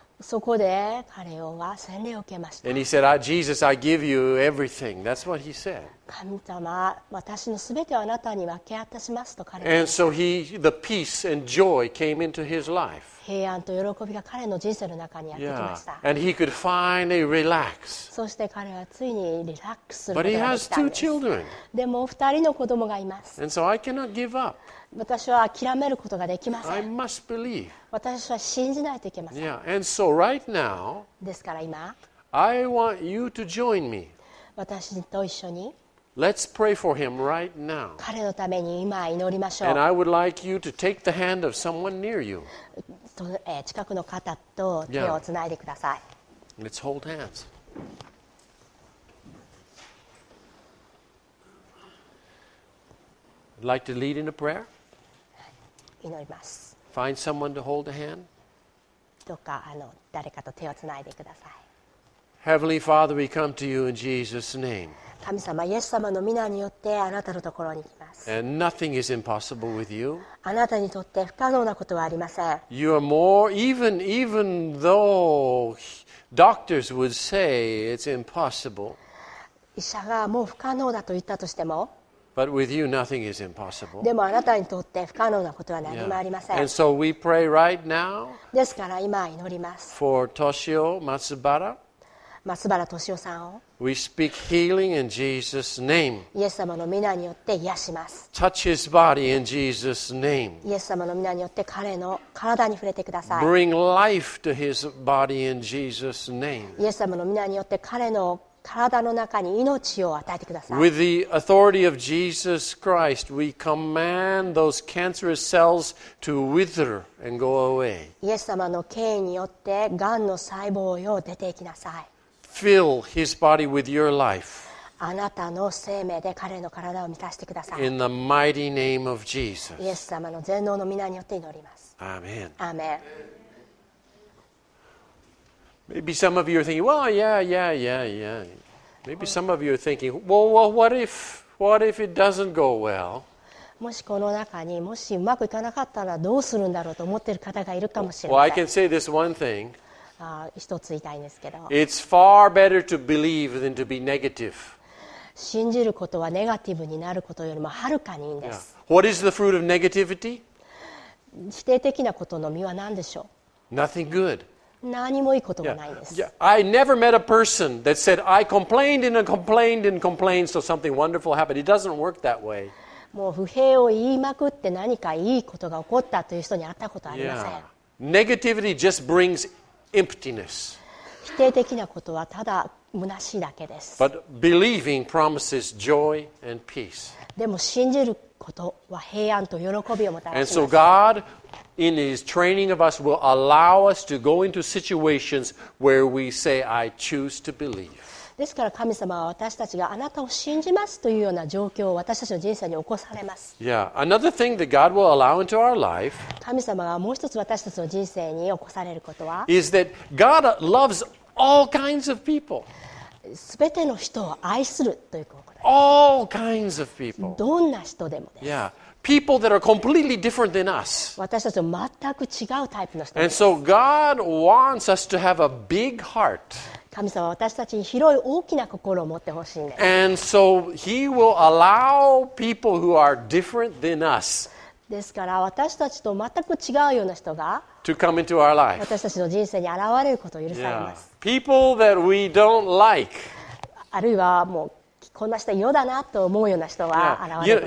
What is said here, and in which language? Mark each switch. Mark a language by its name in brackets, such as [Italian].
[Japanese] そこで彼は洗礼を受けました。 [English] And he said, Jesus, I give you everything. That's what he said. [Japanese] 神様、私のすべてをあなたに分け渡しますと彼は。 [English] And so the peace and joy came into his life. [Japanese] 平安と喜びが彼の人生の中にやってきました。 [English] Yeah. And he could finally relax. [Japanese] そして彼はついにリラックスすることができたんです。 [English] But he has two children. [Japanese] でも二人の子供がいます。 [English] And so I cannot give up. [Japanese] 私は諦めることができません。 [English] I must believe. [Japanese] 私は信じないといけません。 [English] Yeah. And so right now, [Japanese] ですから今、 [English] I want you to join me. [Japanese] 私と一緒に。 [English] Let's pray for him right now. [Japanese] 彼のために今祈りましょう。 [English] And I would like you to take the hand of someone near you. [Japanese] 近くの方と手をつないでください。 [English] Yeah. Let's hold hands. I'd like to lead in a prayer. [Japanese] 祈ります。 [English] Find someone to hold a hand. [Japanese] どうか誰かと手をつないでください。 [English] Heavenly Father, we come to you in Jesus' name. [Japanese] 神様、イエス様の御名によってあなたのところに来ます。 [English] And nothing is impossible with you. [Japanese] あなたにとって不可能なことはありません。 [English] You are more, even though doctors would say it's impossible. [Japanese] 医者がもう不可能だと言ったとしても。 [English] But with you, nothing is impossible. [Japanese] でもあなたにとって不可能なことは何もありません。 [English] Yeah. And so we pray right now. [Japanese] ですから今祈ります。 [English] For Toshio Matsubara. [Japanese] 松原俊夫さんを [English] We speak healing in Jesus' name. [Japanese] イエス様の御名によって癒します。 [English] Touch his body in Jesus' name. [Japanese] イエス様の御名によって彼の体に触れてください。 [English] Bring life to his body in Jesus' name. [Japanese] イエス様の御名によって彼の体の中に命を与えてください。 [English] With the authority of Jesus Christ, we command those cancerous cells to wither and go away. [Japanese] イエス様の権威によってがんの細胞よ出て行きなさい。 [English] Fill his body with your life. [Japanese] あなたの生命で彼の体を満たしてください。 [English] In the mighty name of Jesus. [Japanese] イエス様の全能の御名によって祈ります。 [English] Amen. Amen. Maybe some of you are thinking, well, yeah. Maybe some of you are thinking, well, what if it doesn't go well? [Japanese] もしこの中にもしうまくいかなかったらどうするんだろうと思っている方がいるかもしれません。 [English] Well, I can say this one thing. [Japanese] 一つ言いたいんですけど [English] It's far better to believe than to be negative. [Japanese] 信じることはネガティブになることよりもはるかにいいんです、yeah. [English] What is the fruit of negativity? [Japanese] 否定的なことの実は何でしょう [English] Nothing good. [Japanese] 何もいいこともないです、 [English] yeah. Yeah. I never met a person that said I complained and complained and complained so something wonderful happened. It doesn't work that way. [Japanese] もう不平を言いまくって何かいいことが起こったという人に会ったことありません、 [English] yeah. Negativity just brings Emptiness. [Japanese] 否定的なことはただ虚しいだけです。 [English] But believing promises joy and peace. [Japanese] でも信じることは平安と喜びをもたらします。 [English] And so God, in His training of us, will allow us to go into situations where we say, "I choose to believe." [Japanese] ですから神様は私たちがあなたを信じますというような状況を私たちの人生に起こされます。 [English] Yeah, another thing that God will allow into our life. [Japanese] 神様がもう一つ私たちの人生に起こされることは、 [English] is that God loves all kinds of people. [Japanese] すべての人を愛するということです。 [English] All kinds of people. [Japanese] どんな人でもです。 [English] Yeah. People that are completely different than us. [Japanese] 私たちと全く違うタイプの人です。 [English] And so God wants us to have a big heart. [Japanese] 神様は私たちに広い大きな心を持ってほしいんです。 [English] And so He will allow people who are different than us. [Japanese] ですから私たちと全く違うような人が [English] to come into our life. [Japanese] 私たちの人生に現れることを許されます。 [English] Yeah. People that we don't like. [Japanese] あるいはもうこんな人嫌だなと思うような人は現れる。